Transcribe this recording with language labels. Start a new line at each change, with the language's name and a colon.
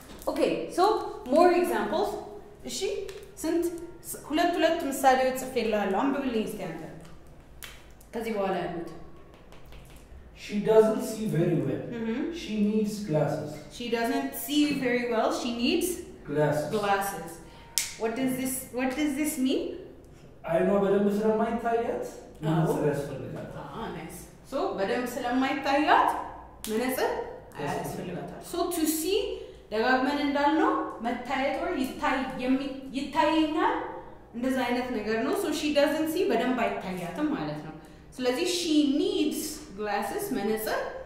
English: okay so more examples
Amharic: እሺ ስንት ሁለት ምሳሌዎች ጽፌላለሁ አንብብልኝ እስቲ አንተ ከዚህ በኋላ ያሉት
English: she doesn't see very well she needs glasses she doesn't see very well she needs glasses what does this mean
Amharic: i know በደንብ ስለማይታያት መነጽር ያስፈልጋታል nice so በደንብ ስለማይታያት መነጽር ያስፈልጋታል so to see ደጋግመን እንዳልነው መታየት ወይ ይታየኛል እንደዛ አይነት ነገር ነው so
English: she doesn't see
Amharic: በደንብ አይታያትም ማለት ነው። ስለዚህ
English: she needs glasses
Amharic: መነጽር